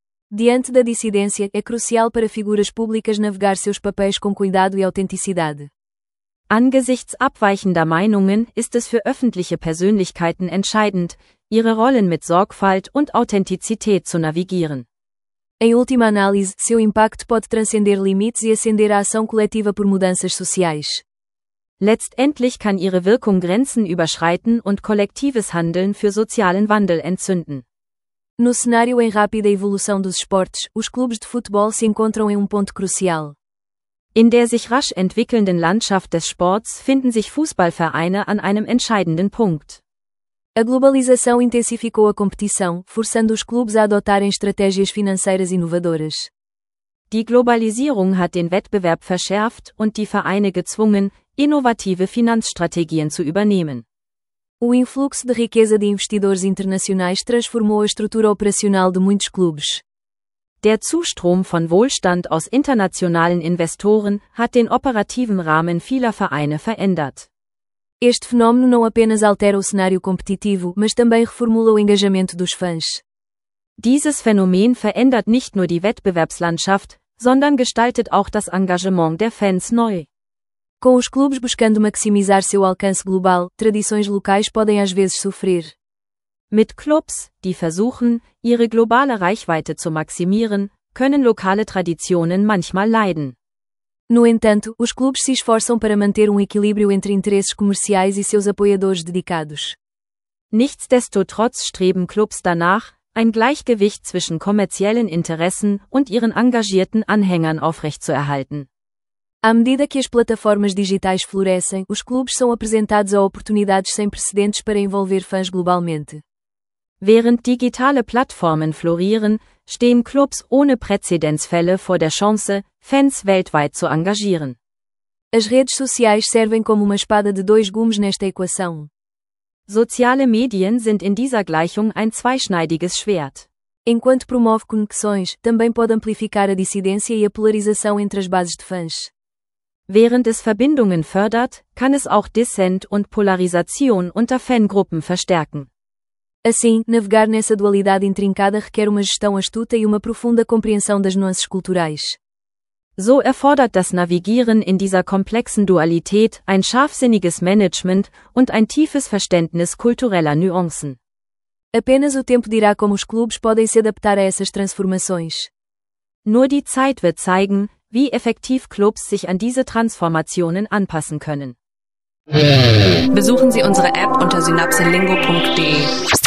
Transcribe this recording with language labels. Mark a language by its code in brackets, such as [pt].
[pt] Diante da dissidência, é crucial para figuras públicas navegar seus papéis com cuidado e autenticidade. [de] Angesichts abweichender Meinungen ist es für öffentliche Persönlichkeiten entscheidend, ihre Rollen mit Sorgfalt und Authentizität zu navigieren. [pt] Em última análise, seu impacto pode transcender limites e ascender à ação coletiva por mudanças sociais. [de] Letztendlich kann ihre Wirkung Grenzen überschreiten und kollektives Handeln für sozialen Wandel entzünden. [pt] No cenário em rápida evolução dos esportes, os clubes de futebol se encontram em ponto crucial. [de] In der sich rasch entwickelnden Landschaft des Sports finden sich Fußballvereine an einem entscheidenden Punkt. [pt] A globalização intensificou a competição, forçando os clubes a adotarem estratégias financeiras inovadoras. [de] Die Globalisierung hat den Wettbewerb verschärft und die Vereine gezwungen, innovative Finanzstrategien zu übernehmen. [pt] O influxo de riqueza de investidores internacionais transformou a estrutura operacional de muitos clubes. [de] Der Zustrom von Wohlstand aus internationalen Investoren hat den operativen Rahmen vieler Vereine verändert. [pt] Este fenômeno não apenas altera o cenário competitivo, mas também reformula o engajamento dos fãs. [de] Dieses Phänomen verändert nicht nur die Wettbewerbslandschaft, sondern gestaltet auch das Engagement der Fans neu. [pt] Com os clubes buscando maximizar seu alcance global, tradições locais podem às vezes sofrer. [de] Mit Clubs, die versuchen, ihre globale Reichweite zu maximieren, können lokale Traditionen manchmal leiden. [pt] No entanto, os clubes se esforçam para manter equilíbrio entre interesses comerciais e seus apoiadores dedicados. [de] Nichtsdestotrotz streben Clubs danach, ein Gleichgewicht zwischen kommerziellen Interessen und ihren engagierten Anhängern aufrechtzuerhalten. [pt] À medida que as plataformas digitais florescem, os clubes são apresentados a oportunidades sem precedentes para envolver fãs globalmente. [de] Während digitale Plattformen florieren, stehen Clubs ohne Präzedenzfälle vor der Chance, Fans weltweit zu engagieren. [pt] As redes sociais servem como uma espada de dois gumes nesta equação. [de] Soziale Medien sind in dieser Gleichung ein zweischneidiges Schwert. [pt] Enquanto promove conexões, também pode amplificar a dissidência e a polarização entre as bases de fãs. [de] Während es Verbindungen fördert, kann es auch Dissent und Polarisation unter Fangruppen verstärken. [pt] Assim, navegar nessa dualidade intrincada requer uma gestão astuta e uma profunda compreensão das nuances culturais. [de] So erfordert das Navigieren in dieser komplexen Dualität ein scharfsinniges Management und ein tiefes Verständnis kultureller Nuancen. [pt] Apenas o tempo dirá como os clubes podem se adaptar a essas transformações. [de] Nur die Zeit wird zeigen, wie effektiv Clubs sich an diese Transformationen anpassen können. Besuchen Sie unsere App unter synapsenlingo.de.